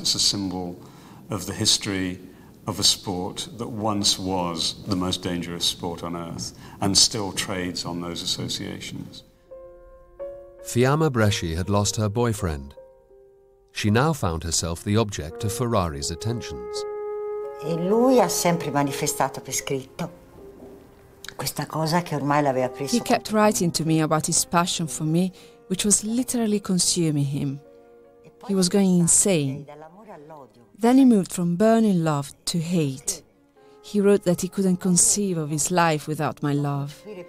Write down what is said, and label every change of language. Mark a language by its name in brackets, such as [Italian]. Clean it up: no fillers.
[English] It's a symbol of the history of a sport that once was the most dangerous sport on earth and still trades on those associations. Fiamma Bresci had lost her boyfriend. She now found herself the object of Ferrari's attentions. [Italian] E lui ha sempre manifestato per scritto questa cosa che ormai l'aveva preso. [English] He kept writing to me about his passion for me, which was literally consuming him. He was going insane. Then he moved from burning love to hate. He wrote that he couldn't conceive of his life without my love.